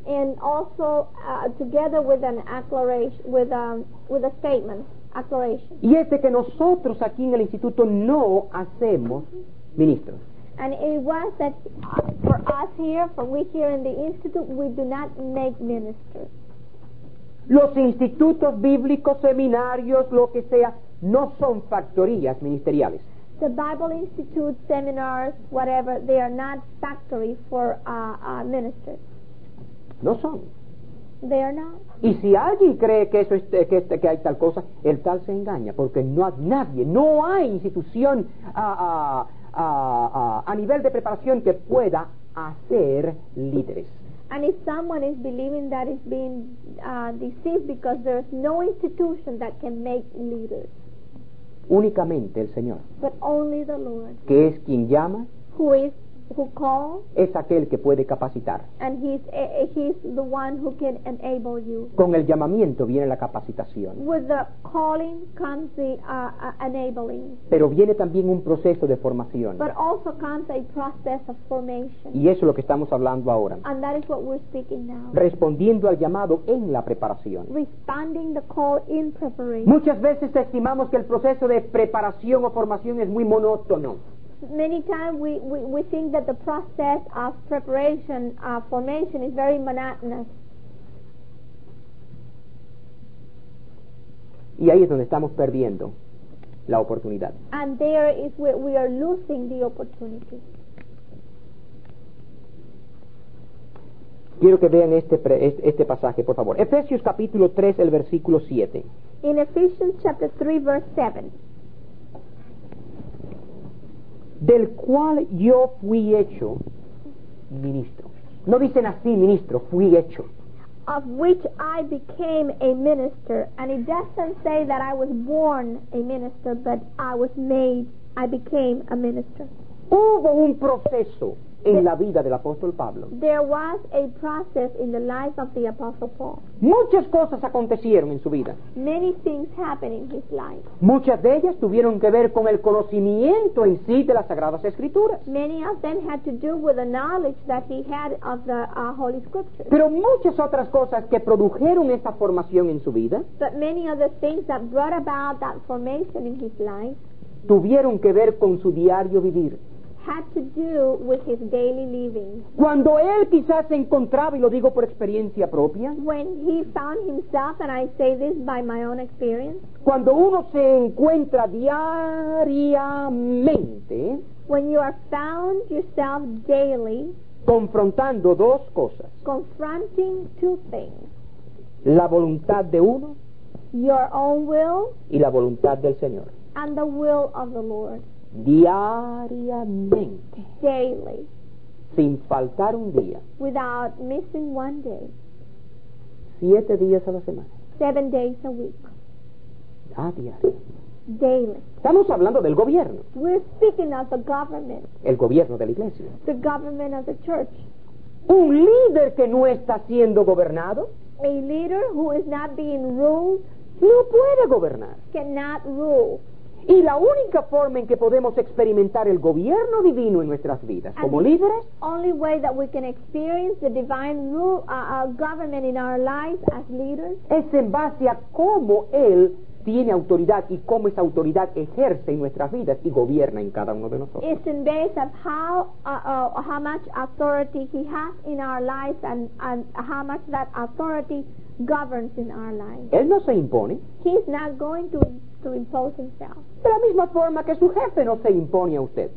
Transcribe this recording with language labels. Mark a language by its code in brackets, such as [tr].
[en] And also together with an acclaration, with a statement, acclaration. [es] Y es de que nosotros aquí en el instituto no hacemos ministros. [en] And it was that for us here, for we here in the institute, we do not make ministers. [es] Los institutos bíblicos, seminarios, lo que sea, no son factorías ministeriales. [en] The Bible Institute, seminars, whatever, they are not factory for ministers. [es] No son. [en] They are not. [es] Y si alguien cree que eso es, que hay tal cosa, el tal se engaña, porque no hay institución a nivel de preparación que pueda hacer líderes. [en] And if someone is believing that, is being deceived, because there is no institution that can make leaders. [es] Únicamente el Señor. [en] But only the Lord. [es] Que es quien llama. [en] Who calls. [es] Es aquel que puede capacitar. [en] And he's the one who can enable you. [es] Con el llamamiento viene la capacitación. [en] With the calling comes the enabling. [es] Pero viene también un proceso de formación. [en] But also comes a process of formation. [es] Y eso es lo que estamos hablando ahora. [en] And that is what we're speaking now. [es] Respondiendo al llamado en la preparación. [en] Responding the call in preparation. [es] Muchas veces estimamos que el proceso de preparación o formación es muy monótono. [en] Many times we think that the process of preparation, formation, is very monotonous. [es] Y ahí es donde estamos perdiendo la oportunidad. [en] And there is where we are losing the opportunity. [es] Quiero que vean este pasaje, por favor. Efesios capítulo 3, el versículo 7. [en] In Ephesians chapter 3, verse 7. [es] Del cual yo fui hecho ministro. No dicen así, ministro, fui hecho. [en] Of which I became a minister. And it doesn't say that I was born a minister, but I was made, I became a minister. [es] Hubo un proceso. en la vida del apóstol Pablo. [en] There was a process in the life of the apostle Paul. [es] Muchas cosas acontecieron en su vida. [en] Many things happened in his life. [es] Muchas de ellas tuvieron que ver con el conocimiento en sí de las sagradas escrituras. [en] Many of them had to do with the knowledge that he had of the holy scriptures. [es] Pero muchas otras cosas que produjeron esa formación en su vida. [en] But many other things that brought about that formation in his life. [es] Tuvieron que ver con su diario vivir. [en] Had to do with his daily living. [es] Cuando él quizás se encontraba, y lo digo por experiencia propia, [en] when he found himself, and I say this by my own experience, [es] cuando uno se encuentra diariamente, [en] when you are found yourself daily, [es] confrontando dos cosas, [en] confronting two things, [es] la voluntad de uno, [en] your own will, [es] y la voluntad del Señor, [en] and the will of the Lord. [es] Diariamente, [en] daily, [es] sin faltar un día, [en] without missing one day, [es] 7 días a la semana, [en] 7 days a week, [es] a diario, [en] daily. [es] Estamos hablando del gobierno. [en] We're speaking of the government. [es] El gobierno de la iglesia. [en] The government of the church. [es] Un líder que no está siendo gobernado, [en] a leader who is not being ruled, [es] no puede gobernar. [en] Cannot rule. [es] Y la única forma en que podemos experimentar el gobierno divino en nuestras vidas como líderes, [en] only way that we can experience the divine rule, government in our lives as leaders, [es] es en base a cómo él tiene autoridad y cómo esa autoridad ejerce en nuestras vidas y gobierna en cada uno de nosotros. [en] It's in base of how much authority he has in our lives and how much that authority governs in our lives. [es] Él no se impone. [en] He's not going to impose himself. [es] De la misma forma que su jefe no se impone a usted.